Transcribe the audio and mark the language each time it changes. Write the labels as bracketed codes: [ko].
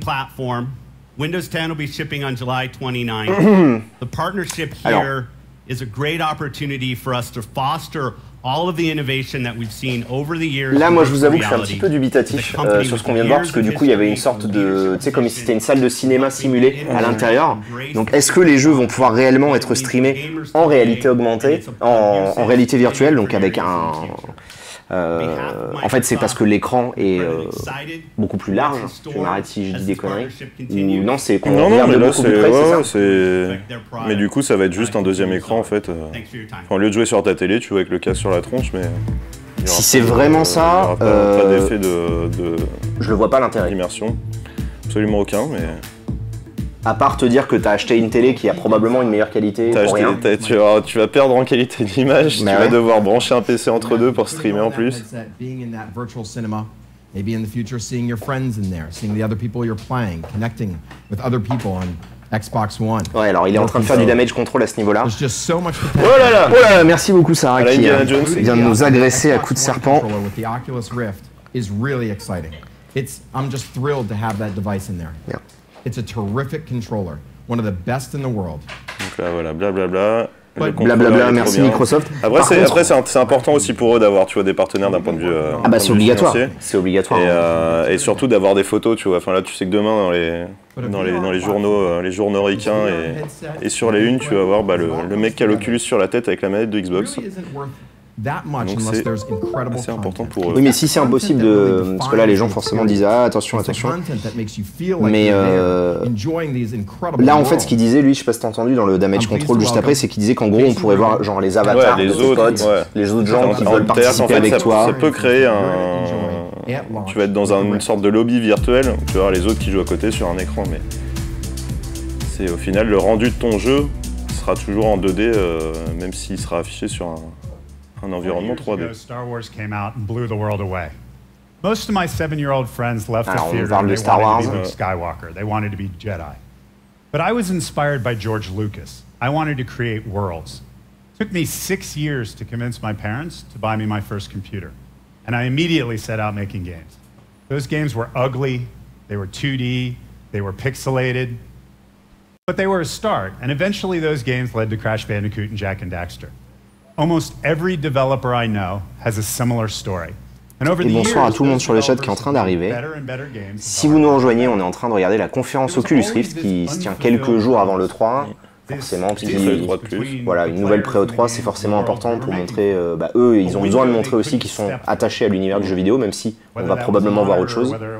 [en] platform. Windows 10 will be shipping on July 29. The partnership here. is a great opportunity for us to foster all of the innovation that we've seen over the years. [fr] Là, moi, je vous avoue que je suis un petit peu dubitatif sur ce qu'on vient de voir, parce que du coup, il y avait une sorte de, tu sais, comme si c'était une salle de cinéma simulée à l'intérieur. Donc, est-ce que les jeux vont pouvoir réellement être streamés en réalité augmentée, en réalité virtuelle, donc avec un... en fait, c'est parce que l'écran est beaucoup plus large. Tu m'arrêtes si je dis des conneries. Non, c'est qu'on regarde beaucoup plus près, c'est ça. C'est... Mais du coup, ça va être juste un deuxième écran, en fait. Enfin, au lieu de jouer sur ta télé, tu joues avec le casque sur la tronche, mais... Si c'est vraiment ça... Pas d'effet de... Je le vois pas, l'intérêt. ...immersion. Absolument aucun, mais... À part te dire que t'as acheté une télé qui a probablement une meilleure qualité tu vas perdre en qualité d'image, mais tu vas devoir brancher un PC entre deux pour streamer en plus. [en] Being in that virtual cinema, maybe in the future seeing your friends in there, seeing the other people you're playing, connecting with other people on Xbox One. [fr] Ouais, alors il est en train de faire du damage control à ce niveau-là. Oh là là, oh là, là, merci beaucoup Sarah qui vient de nous agresser à coups de serpent. [en] With the Oculus Rift is really exciting. I'm just thrilled to have that device in there. Yeah. It's a terrific controller, one of the best in the world. [fr] Donc là, voilà, blablabla. Blablabla, merci Microsoft. Après, c'est important aussi pour eux d'avoir, tu vois, des partenaires d'un point de vue Ah bah, c'est obligatoire. C'est obligatoire. Et surtout d'avoir des photos, tu vois. Enfin, là, tu sais que demain, dans les journaux, les journaux ricains et sur les unes, tu vas voir le mec qui a l'Oculus sur la tête avec la manette de Xbox. Donc c'est important pour eux. Oui, mais si c'est impossible de... Parce que là, les gens forcément disent « Ah, attention, attention. » Mais là, en fait, ce qu'il disait, lui, je sais pas si t'as entendu dans le Damage Control juste après, c'est qu'il disait qu'en gros, on pourrait voir genre les avatars ouais, les autres gens qui veulent participer en fait, avec toi. Ça peut créer un... Tu vas être dans une sorte de lobby virtuel, tu vas voir les autres qui jouent à côté sur un écran, mais... C'est au final, le rendu de ton jeu sera toujours en 2D, même s'il sera affiché sur un environnement 3D. [en] Star Wars came out and blew the world away. Most of my 7-year-old friends left the theater. They wanted to be Luke Skywalker. They wanted to be Jedi. But I was inspired by George Lucas. I wanted to create worlds. It took me 6 years to convince my parents to buy me my first computer. And I immediately set out making games. Those games were ugly. They were 2D. They were pixelated. But they were a start. And eventually those games led to Crash Bandicoot and Jak and Daxter. Almost every developer I know has a similar story. And over the years, [fr] bonsoir à tout le monde sur le chat qui est en train d'arriver. Si vous nous rejoignez, on est en train de regarder la conférence Oculus Rift qui se tient quelques jours avant le 3. Forcément, puis le 3 de plus. Voilà, une nouvelle pré-E3, c'est forcément important pour montrer. Bah, eux, ils ont besoin de montrer aussi qu'ils sont attachés à l'univers du jeu vidéo, même si on va probablement voir autre chose.